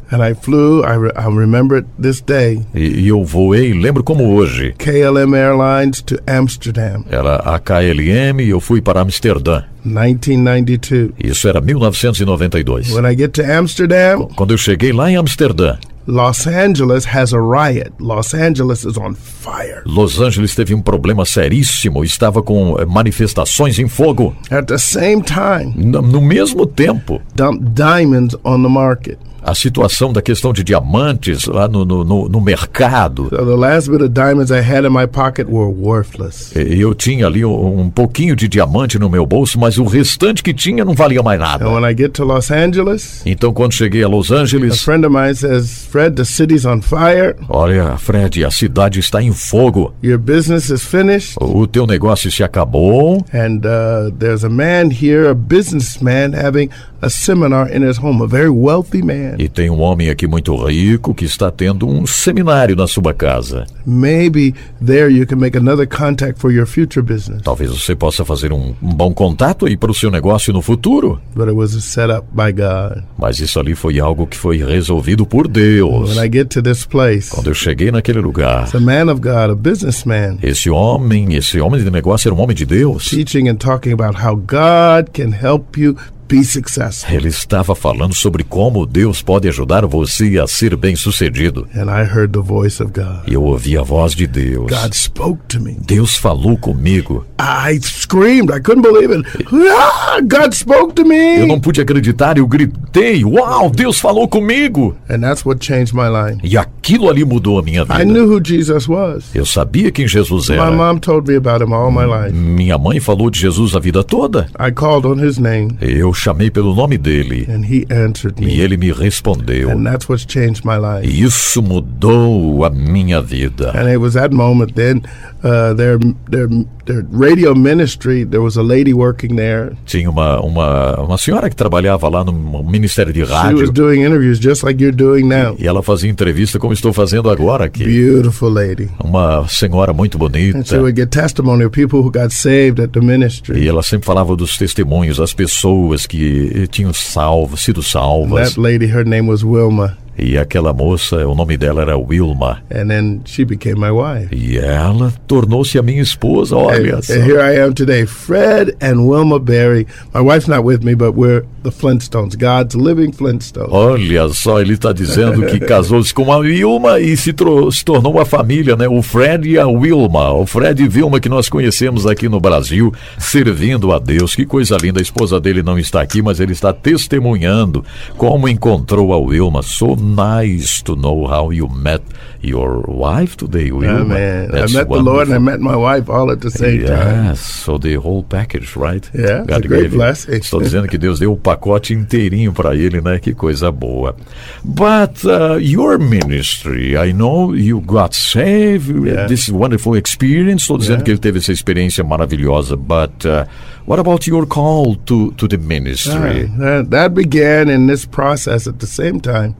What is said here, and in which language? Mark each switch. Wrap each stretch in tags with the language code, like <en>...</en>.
<en>And I flew, I remember it this day.</en> <pt>E eu voei, lembro como hoje.</pt> <en>KLM Airlines to Amsterdam.</en> <pt>Era a KLM e eu fui para Amsterdã.</pt> <en>1992.</en> <pt>Isso era 1992.</pt> <en>When I get to Amsterdam,</en> <pt>quando eu cheguei lá em Amsterdã,</pt> <en>Los Angeles has a riot. Los Angeles is on fire.</en> <pt>Los Angeles teve um problema seríssimo, estava com manifestações em fogo.</pt> <en>At the same time,</en> <pt>no mesmo tempo,</pt> <en>dump diamonds on the market.</en> <pt>A situação da questão de diamantes lá no mercado.</pt> <en>So the last bit of diamonds I had in my pocket were worthless.</en> <pt>Eu tinha ali um pouquinho de diamante no meu bolso, mas o restante que tinha não valia mais nada.</pt> <en>And when I get to Los Angeles,</en> <pt>então quando cheguei a Los Angeles,</pt> <en>a friend of mine says, Fred, the city's on fire.</en> <pt>Olha, Fred, a cidade está em fogo.</pt> <en>Your business is finished.</en> <pt>O teu negócio se acabou.</pt> <en>And there's a man here, a businessman, having a seminar in his home, a very wealthy man.</en> <pt>E tem um homem aqui muito rico que está tendo um seminário na sua casa.</pt> <en>Maybe there you can make another contact for your future business.</en> <pt>Talvez você possa fazer um bom contato aí para o seu negócio no futuro.</pt> <en>But it was set up by God.</en> <pt>Mas isso ali foi algo que foi resolvido por Deus.</pt> <en>When I get to this place,</en> <pt>quando eu cheguei naquele lugar,</pt> <en>it's a man of God, a businessman.</en> <pt>Esse homem de negócio era um homem de Deus.</pt> <en>Teaching and talking about how God can help you be successful.</en> <pt>Ele estava falando sobre como Deus pode ajudar você a ser bem-sucedido.</pt> <en>And I heard the voice of God.</en> <pt>Eu ouvi a voz de Deus.</pt> <en>God spoke to me.</en> <pt>Deus falou comigo.</pt> <en>I screamed. I couldn't believe it. God spoke to me.</en> <pt>Eu não pude acreditar e eu gritei. Uau, Deus falou comigo.</pt> <en>And that's what changed my life.</en> <pt>E aquilo ali mudou a minha vida.</pt> <en>I knew who Jesus was.</en> <pt>Eu sabia quem Jesus era.</pt> <en>My mom told me about him all my life.</en> <pt>Minha mãe falou de Jesus a vida toda.</pt> <en>I called on his name.</en> <pt>Eu chamei pelo nome dele.</pt> <en>And he answered me.</en> <pt>E ele me respondeu.</pt> <en>And that's what changed my life.</en> <pt>E isso mudou a minha vida.</pt> <en>And it was that moment then, their radio ministry, there was a lady working there.</en> <pt>Tinha uma senhora que trabalhava lá no ministério de rádio.</pt> <en>She was doing interviews just like you're doing now.</en> <pt>E ela fazia entrevista como estou fazendo agora aqui.</pt> <en>Beautiful lady.</en> <pt>Uma senhora muito bonita.</pt> <en>And she would get testimony of people who got saved at the ministry.</en> <pt>E ela sempre falava dos testemunhos, as pessoas que tinham sido salvas.</pt> <en>That lady, her name was Wilma.</en> <pt>E aquela moça, o nome dela era Wilma.</pt> <en>And then she became my wife.</en> <pt>E ela tornou-se a minha esposa, olha só.</pt> <en>And here I am today, Fred and Wilma Berry. My wife's not with me, but we're the Flintstones, God's living Flintstones.</en> <pt>Olha só, ele está dizendo que casou-se com a Wilma e se tornou a família, né? O Fred e a Wilma. O Fred e Wilma que nós conhecemos aqui no Brasil, servindo a Deus. Que coisa linda, a esposa dele não está aqui, mas ele está testemunhando como encontrou a Wilma.</pt> <en>Sou nice to know how you met your wife today, Wilma. Yeah, man. That's I met wonderful. The Lord and I met my wife all at the same yes. time. Yes, so the whole package, right? Yeah, God it's a great blessing.</en> <pt>Estou dizendo que Deus deu o pacote inteirinho para ele, né? Que coisa boa.</pt> <en>But your ministry, I know you got saved. Yeah. This wonderful experience.</en> <pt>Estou dizendo yeah. que ele teve essa experiência maravilhosa, but...</pt> <en>What about your call to the ministry? That began in this process at the same time.</en>